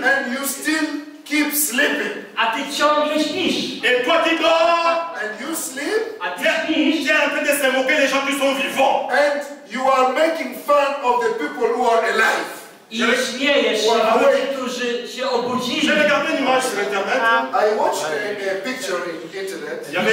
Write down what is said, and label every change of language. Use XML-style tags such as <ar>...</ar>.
<en>And you still keep sleeping.</en> <pl>A ty ciągle śpisz.</pl> <fr>Et toi tu dors.</fr> <en>And you sleep.</en> <pl>A ty śpisz.</pl> <fr>Tu es en train de se moquer des gens qui sont vivants.</fr> <en>And you are making fun of the people who are alive.</en> <pl>I śmiejesz się ludzi, którzy się obudzili.</pl> <en>I watched a picture in the internet.</en>